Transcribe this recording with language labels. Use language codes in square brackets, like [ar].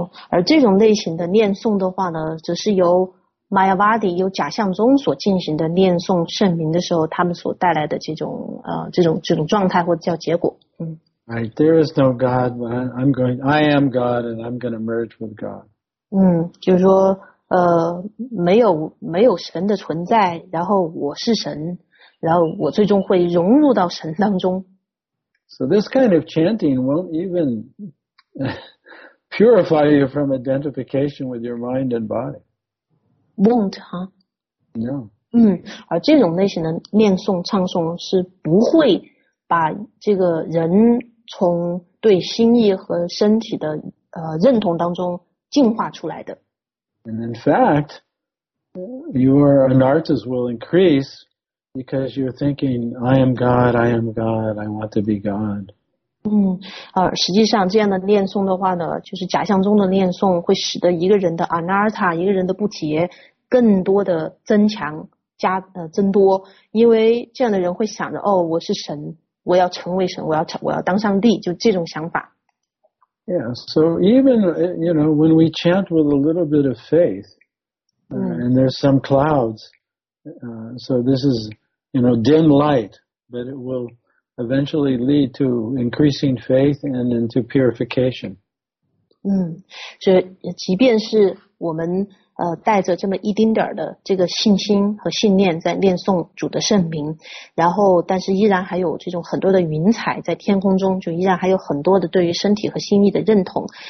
[zh] 而这种类型的念诵的话呢，就是由Mayavadi 有假象中所进行的念诵圣名的时候，他们所带来的这种状态或者叫结果。 [en] Right, there is no God, but I am God, and I'm going to merge with God. [zh] 就是说，没有神的存在，然后我是神，然后我最终会融入到神当中。 [en] So this kind of chanting won't even purify you from identification with your mind and body. Won't, huh? No. [zh] 而这种类型的念诵唱诵是不会把这个人从对心意和身体的认同当中净化出来的。 [en] And in fact, your anarthas will increase because you're thinking, I am God, I am God, I want to be God. [zh] 实际上这样的念诵的话呢，就是假象中的念诵会使得一个人的 anartha, 一个人的不提更多的增强加增多，因为这样的人会想着我是神，我要成为神，我要当上帝，就这种想法。 [en] Yeah, so even you know when we chant with a little bit of faith, and there's some clouds, so this is you know dim light, but it will eventually lead to increasing faith and into purification. [zh] 所以即便是我们带着这么一丁点儿的这个信心和信念在念诵主的圣名，然后但是依然还有这种很多的云彩在天空中，就依然还有很多的对于身体和心意的认同，